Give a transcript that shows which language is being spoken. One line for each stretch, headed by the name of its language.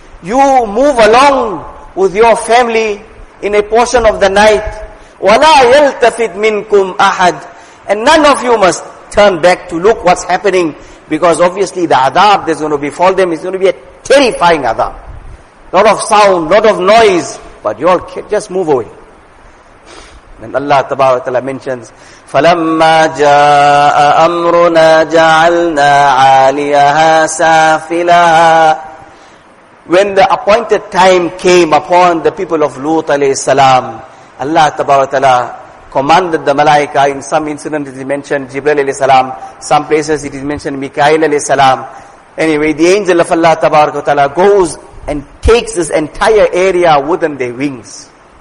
English: You move along with your family in a portion of the night.
Arabic: وَلَا يَلْتَفِتْ مِنْكُمْ أَحَدٍ.
English: And none of you must turn back to look what's happening, because obviously the adab that's going to befall them is going to be a terrifying adab. Lot of sound, lot of noise, but you all can just move away. Then Allah Ta'ala mentions,
Arabic: فَلَمَّا جَاءَ أَمْرُنَا جَعَلْنَا عَالِيَهَا سَافِلَهَا.
English: When the appointed time came upon the people of Lut alayhi salam, Allah Ta'ala commanded the malaika. In some incidents it is mentioned Jibreel alayhi salam, some places it is mentioned Mikael alayhi salam. Anyway, the angel of Allah Ta'ala goes and takes this entire area within their wings.